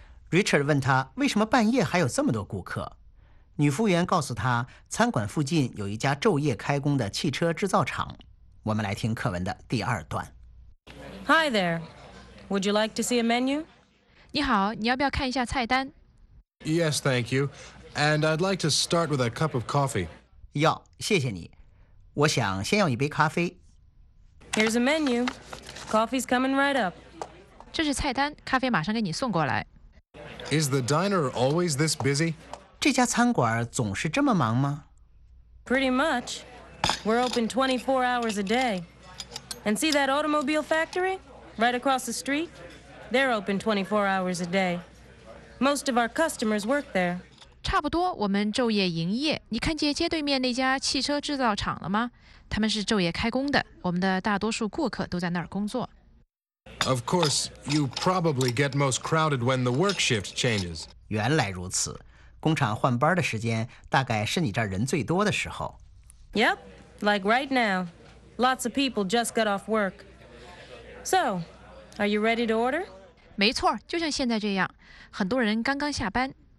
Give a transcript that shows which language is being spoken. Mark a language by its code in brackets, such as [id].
[zh] Richard 问他为什么半夜还有这么多顾客。女服务员告诉他，餐馆附近有一家昼夜开工的汽车制造厂。我们来听课文的第二段。 [en] Hi there. Would you like to see a menu? [zh] 你好，你要不要看一下菜单？ [en] Yes, thank you. And I'd like to start with a cup of coffee. [zh] 要，谢谢你。我想先要一杯咖啡。 [en] Here's a menu. Coffee's coming right up. [zh] 这是菜单，咖啡马上给你送过来。 [en] Is the diner always this busy? [zh] 这家餐馆总是这么忙吗？ [en] Pretty much. We're open 24 hours a day. And see that automobile factory? Right across the street? They're open 24 hours a day. Most of our customers work there. [zh] 差不多，我们昼夜营业。你看见街对面那家汽车制造厂了吗？他们是昼夜开工的，我们的大多数顾客都在那儿工作。 [en] Of course, you probably get most crowded when the work shift changes. [zh] 原来如此。工厂换班的时间大概是你这儿人最多的时候。 [en] Yep, like right now. Lots of people just got off work. So, are you ready to order? [zh] 没错，就像现在这样，很多人刚刚下班。